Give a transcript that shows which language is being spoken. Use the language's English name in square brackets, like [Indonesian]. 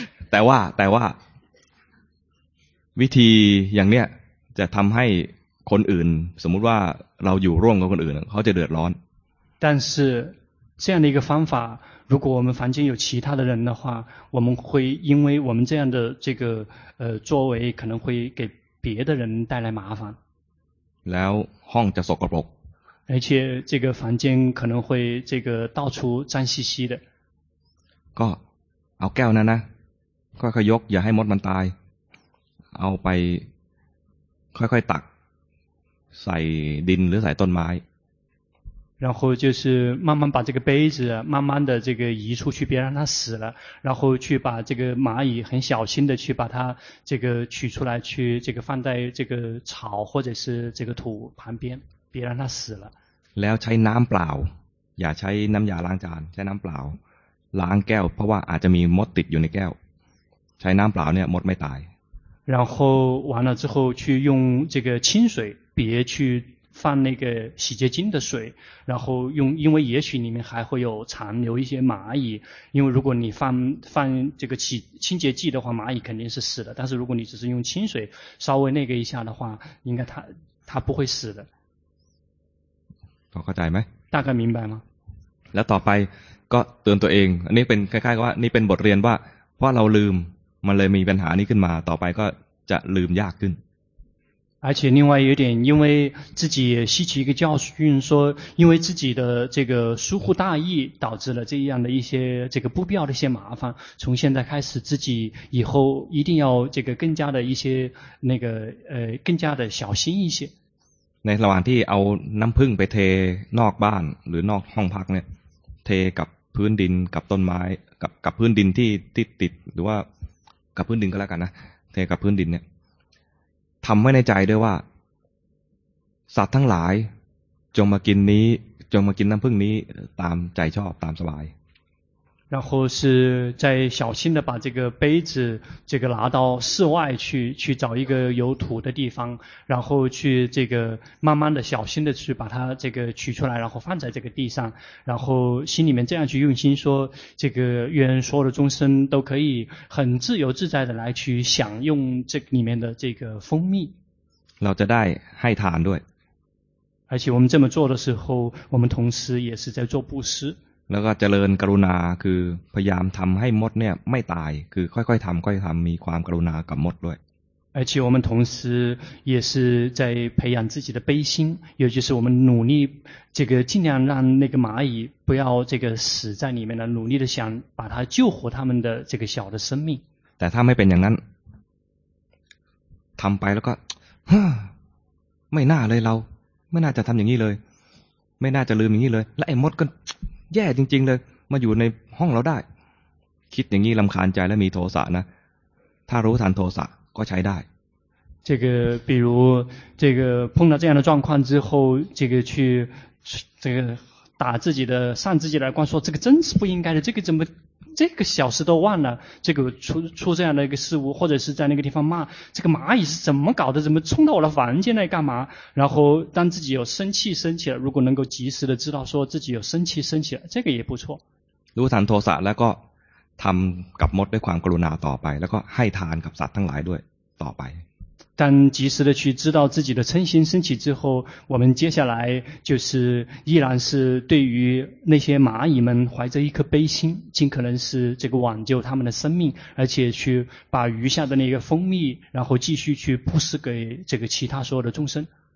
[Thai] แต่ว่าวิธีอย่างเนี้ยจะทำให้คนอื่นสมมุติว่าเราอยู่ร่วมกับคนอื่นเขาจะเดือดร้อน [Chinese] 但是这样的一个方法如果我们房间有其他的人的话我们会因为我们这样的这个作为可能会给别的人带来麻烦 [Thai] แล้วห้องจะสกปรก [Chinese] 而且这个房间可能会这个到处脏兮兮的 [Thai] ก็เอาแก้วนั้นนะค่อยๆยกอย่าให้มดมันตายเอาไปค่อยๆตักใส่ดินหรือใส่ต้นไม้ [Chinese] 然后就是慢慢把这个杯子慢慢的这个移出去别让它死了然后去把这个蚂蚁很小心的去把它这个取出来去这个放在这个草或者是这个土旁边别让它死了 [Thai] แล้วใช้น้ำเปล่าอย่าใช้น้ำยาล้างจานใช้น้ำเปล่าล้างแก้วเพราะว่าอาจจะมีมดติดอยู่ในแก้วใช้น้ำเปล่าเนี่ยมดไม่ตาย [Chinese] 然后完了之后去用这个清水别去放那个洗洁精的水然后用因为也许里面还会有残留一些蚂蚁因为如果你放这个清洁剂的话蚂蚁肯定是死的但是如果你只是用清水稍微那个一下的话应该它不会死的 [Thai] พอเข้าใจไหม [Chinese] 大概明白吗 [Thai] แล้วต่อไปก็เตือนตัวเองอันนี้เป็นคล้ายๆว่านี่เป็นบทเรียนว่าเพราะเราลืมมันเลยมีปัญหานี้ขึ้นมาต่อไปก็จะลืมยากขึ้น [Chinese] 而且另外有点因为自己也吸取一个教训说因为自己的这个疏忽大意导致了这样的一些这个不必要的一些麻烦从现在开始自己以后一定要这个更加的一些那个更加的小心一些 [Thai] ในระหว่างที่เอาน้ำผึ้งไปเทนอกบ้านหรือนอกห้องพักเนี่ยเทกับพื้นดินกับต้นไม้กับพื้นดินที่ติดหรือว่ากับพื้นดินก็แล้วกันนะเทกับพื้นดินเนี่ยทำไว้ในใจด้วยว่าสัตว์ทั้งหลายจงมากินนี้จงมากินน้ำผึ้งนี้ตามใจชอบตามสบาย [Chinese] 然后是在小心的把这个杯子这个拿到室外去找一个有土的地方然后去这个慢慢的小心的去把它这个取出来然后放在这个地上然后心里面这样去用心说这个愿所有的众生都可以很自由自在的来去享用这里面的这个蜂蜜 [Thai] เราจะได้ให้ทานด้วย [Chinese] 而且我们这么做的时候我们同时也是在做布施 [Thai] แล้วก็เจริญกรุณาคือพยายามทำให้มดเนี่ยไม่ตายคือค่อยๆทำค่อยทำมีความกรุณากับมดด้วย [Chinese] 而且我们同时也是在培养自己的悲心，也就是我们努力这个尽量让那个蚂蚁不要这个死在里面了，努力的想把它救活他们的这个小的生命。 [Thai] แต่ถ้าไม่เป็นอย่างนั้นทำไปแล้วก็ไม่น่าเลยเราไม่น่าจะทำอย่างนี้เลยไม่น่าจะลืมอย่างนี้เลยและไอ้มดก็แย่จริงๆเลยมาอยู่ในห้องเราได้คิดอย่างนี้รำคาญใจและมีโทสะนะถ้ารู้ทันโทสะก็ใช้ได้ [Chinese] 这个比如这个碰到这样的状况之后这个去这个打自己的上自己的耳光说这个真是不应该的这个怎么这个小事都忘了这个出这样的一个事物或者是在那个地方骂这个蚂蚁是怎么搞的怎么冲到我的房间来干嘛然后当自己有生气生起了如果能够及时的知道说自己有生气生起了这个也不错 [Thai] รู้ทันโทสะแล้วก็ทำกับมดด้วยความกรุณาต่อไปแล้วก็ให้ทานกับสัตว์ทั้งหลายด้วยต่อไป [Chinese] 但及时的去知道自己的嗔心升起之后我们接下来就是依然是对于那些蚂蚁们怀着一颗悲心尽可能是这个挽救他们的生命而且去把余下的那个蜂蜜然后继续去布施给这个其他所有的众生